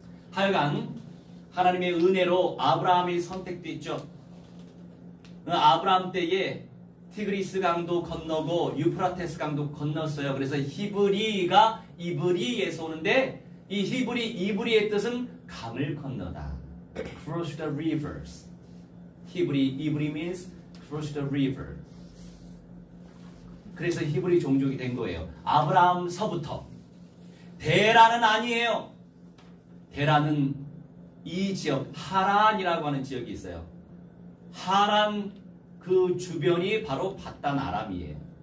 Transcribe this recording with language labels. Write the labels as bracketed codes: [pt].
[ko] 하여간 하나님의 은혜로 아브라함이 선택됐죠. 아브라함 때에 티그리스 강도 건너고 유프라테스 강도 건넜어요. 그래서 히브리가 이브리에서 오는데 이 히브리 이브리의 뜻은 강을 건너다. [en] Cross the rivers. 히브리 이브리 means cross the river. [ko] 그래서 히브리 종족이 된 거예요. 아브라함서부터 데라는 아니에요. 데라는 이 지역 하란이라고 하는 지역이 있어요. 하란 그 주변이 바로 바단 아람이에요.